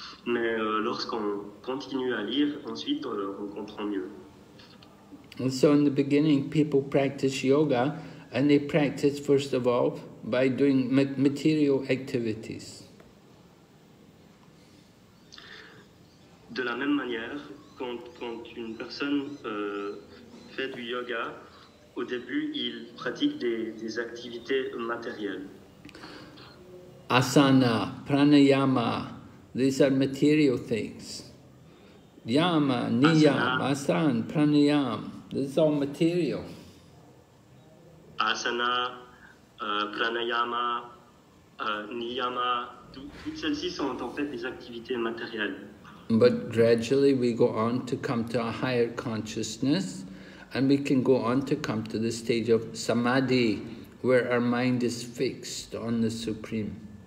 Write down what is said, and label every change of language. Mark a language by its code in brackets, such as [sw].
[fr] Mais lorsqu'on continue à lire, ensuite on comprend mieux. [en] And so in the beginning, people practice yoga and they practice first of all by doing material activities. [fr] De la même manière, quand une personne fait du yoga, Au début, il pratique des activités matérielles. [en] Asana, pranayama, these are material things. Yama, niyam, asana, pranayam, this is all material. [fr] Asana, pranayama, niyama, toutes celles-ci sont en fait des activités matérielles. [en] But gradually we go on to come to a higher consciousness, and we can go on to come to the stage of samadhi, where our mind is fixed on the Supreme.